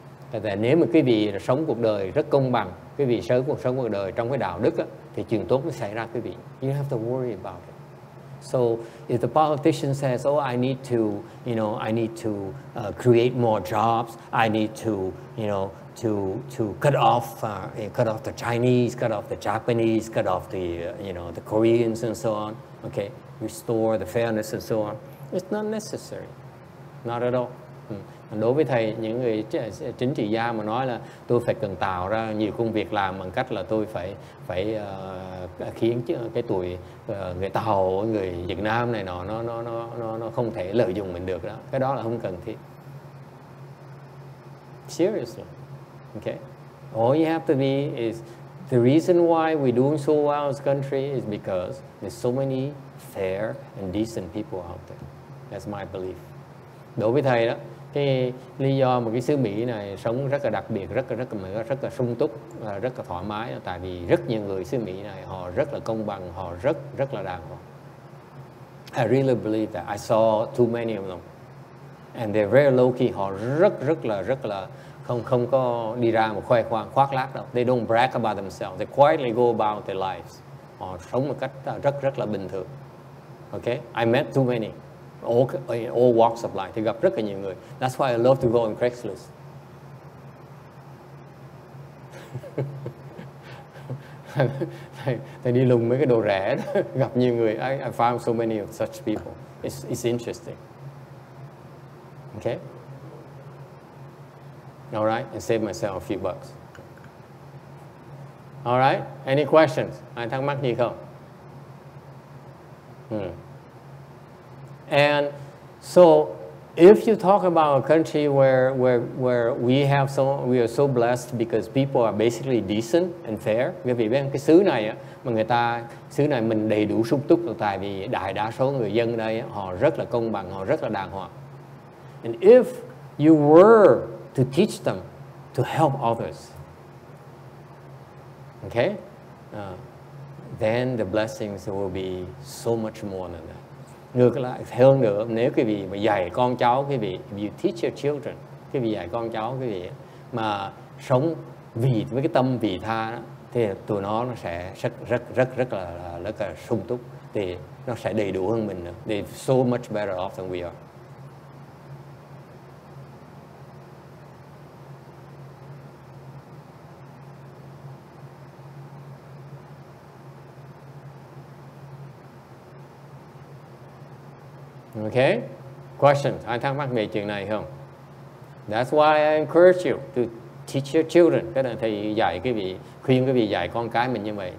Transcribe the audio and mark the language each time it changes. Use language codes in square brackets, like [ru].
[vi] Tại vì nếu mà quý vị sống cuộc đời rất công bằng, quý vị sống cuộc đời trong cái đạo đức á, thì chuyện tốt mới xảy ra quý vị. [en] You don't have to worry about it. So if the politician says, "Oh, I need to, you know, I need to create more jobs. I need to, you know, to cut off the Chinese, cut off the Japanese, cut off the, you know, the Koreans and so on. Okay, restore the fairness and so on. It's not necessary, not at all." [vi] Đối với thầy, những người chính trị gia mà nói là tôi phải cần tạo ra nhiều công việc làm bằng cách là tôi phải khiến cái tuổi người Tàu, người Việt Nam này nó không thể lợi dụng mình được đó. Cái đó là không cần thiết. [en] Seriously. Okay. All you have to be is the reason why we're doing so well as a country is because there's so many fair and decent people out there. That's my belief. [vi] Đối với thầy đó, cái lý do mà cái xứ Mỹ này sống rất là đặc biệt, rất là sung túc, rất là thoải mái, tại vì rất nhiều người xứ Mỹ này họ rất là công bằng, họ rất là đàng hoàng. [en] I really believe that. I saw too many of them. And they're very low key. [vi] Họ rất là không không có đi ra mà khoe khoang khoác lác đâu. [en] They don't brag about themselves. They quietly go about their lives. [vi] Họ sống một cách rất là bình thường. [en] Okay? I met too many. All walks of life. [vi] Thì gặp rất là nhiều người. [en] That's why I love to go on Craigslist. [vi] Tại đi lùng mấy cái đồ rẻ đó, gặp nhiều người. [en] I found so many of such people. It's interesting. Okay? All right? And save myself a few bucks. All right? Any questions? [vi] Ai thắc mắc gì không? [en] And so if you talk about a country where we have so we are so blessed because people are basically decent and fair, [vi] bởi vì bên cái xứ này mà người ta xứ này mình đầy đủ sung túc tại vì đại đa số người dân đây họ rất là công bằng, họ rất là đàng hoàng. [en] And if you were to teach them to help others, okay, then the blessings will be so much more than that. [vi] Ngược lại, hơn nữa, nếu quý vị mà dạy con cháu, quý vị, [en] if you teach your children, [vi] quý vị dạy con cháu, quý vị, mà sống vì, với cái tâm vị tha, thì tụi nó sẽ rất là sung túc, thì nó sẽ đầy đủ hơn mình nữa. [en] They're so much better off than we are. Okay, questions? [vi] Ai thắc mắc về chuyện này không? [en] That's why I encourage you to teach your children. [vi] Cái này thầy dạy quý vị, khuyên quý vị dạy con cái mình như vậy.